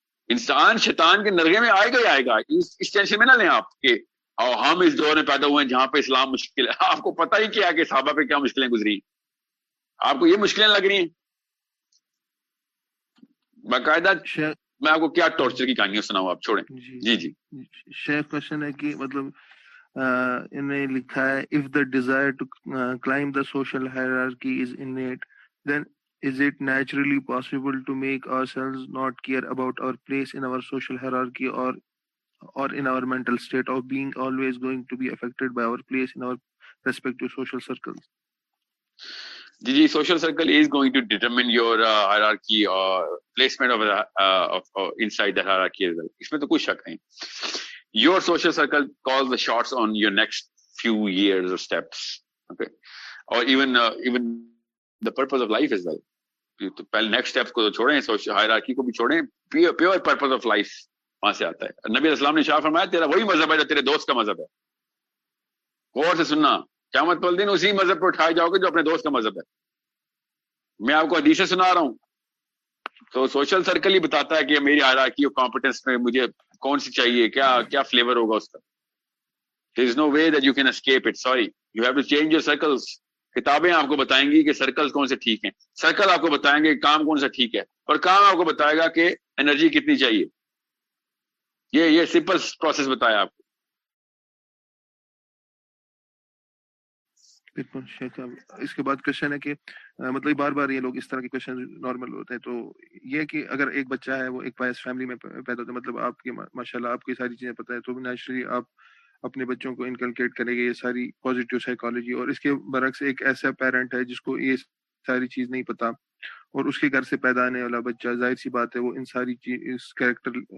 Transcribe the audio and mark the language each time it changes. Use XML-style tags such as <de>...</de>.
<ur>انسان شیطان کے نرگے میں آئے گا ہی آئے گا, اس ٹینشن میں نہ لیں آپ کہ ہم اس دور میں پیدا ہوئے ہیں جہاں پہ اسلام مشکل ہے. آپ کو پتہ ہی کیا کہ صحابہ پہ کیا مشکلیں گزری, آپ کو یہ مشکلیں لگ رہی ہیں. باقاعدہ میں آپ کو کیا ٹارچر کی کہانیاں سناؤں, آپ چھوڑیں. جی شیخ, کوشچن ہے کہ مطلب انہیں لکھا ہے,</ur> <en>if the desire to climb the social hierarchy is innate, then is it naturally possible to make ourselves not care about our place in our social hierarchy or in our mental state of being always going to be affected by our place in our respective social circles? Ji, social circle is going to determine your hierarchy or placement of inside that hierarchy as well.</en> <ur>Isme to koi shak nahi,</ur> <en>your social circle calls the shots on your next few years or steps, okay, or even the purpose of life as well.</en> <ur>تو پہلے next step کو تو چھوڑیں, social hierarchy کو بھی چھوڑیں,</ur> <en>pure purpose of life</en> <ur>وہاں سے آتا ہے. نبی علیہ السلام نے شاہ فرمایا, تیرا وہی مذہب ہے جو تیرے دوست کا مذہب ہے, غور سے سننا, قیامت والے دن اسی مذہب پہ اٹھائے جاؤ گے جو اپنے دوست کا مذہب ہے. میں آپ کو حدیثیں سنا رہا ہوں, تو سوشل سرکل ہی بتاتا ہے کہ میری ہائرارکی اور کمپیٹنس میں مجھے کون سی چاہیے, کیا فلیور ہوگا اس کا.</ur> <en>There is no way that you can escape it, sorry, you have to change your circles.</en> <ur>کتابیں آپ کو بتائیں گی کہ سرکل کون سے ٹھیک ہیں, سرکل آپ کو بتائیں گے کام کون سا ٹھیک ہے, اور کام آپ کو بتائے گا کہ انرجی کتنی چاہیے. یہ سمپل پروسیس بتایا آپ کو. بالکل شیخ صاحب, اس کے بعد کوشچن ہے کہ مطلب بار بار یہ لوگ اس طرح کے کوشچن نارمل ہوتے ہیں, تو یہ کہ اگر ایک بچہ ہے وہ ایک پائس فیملی میں پیدا ہوتا ہے, مطلب آپ کی ماشاء اللہ آپ کی ساری چیزیں پتہ ہے, تو نیچرلی آپ اپنے بچوں کو انکلکیٹ کریں گے یہ ساری پازیٹیو سائیکالوجی, اور اس کے برعکس ایک ایسا پیرنٹ ہے جس کو یہ ساری چیز نہیں پتا اور اس کے گھر سے پیدا آنے والا بچہ ظاہر سی بات ہے وہ ان ساری چیز کریکٹر</ur>